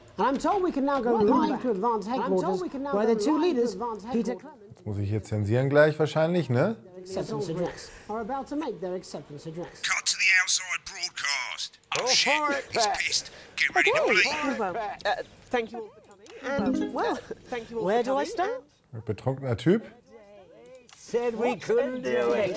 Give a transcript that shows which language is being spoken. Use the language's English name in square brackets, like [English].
[English] And I'm told we can now go live to advance headquarters, where the two leaders, Peter Clement. [German] Jetzt muss ich hier zensieren gleich wahrscheinlich, ne? [English] Are about to make their acceptance address. Cut to the outside broadcast. Oh, shit. He's pissed. Get ready to bleed. Thank you all for coming. And, well, thank you all where for coming. Do I start? [German] Betrunkener Typ. [English] Said we couldn't do it.